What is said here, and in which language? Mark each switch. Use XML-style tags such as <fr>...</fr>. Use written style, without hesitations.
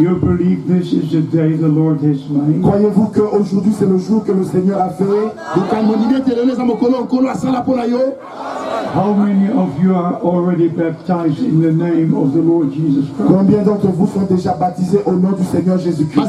<en>You believe this is the day the Lord has made?</en> <fr>Croyez-vous que aujourd'hui c'est le jour que le Seigneur a fait?</fr> <en>Amen. How many of you are already baptized in the name of the Lord Jesus Christ?</en> <fr>Combien d'entre vous sont déjà baptisés au nom du Seigneur Jésus Christ?</fr>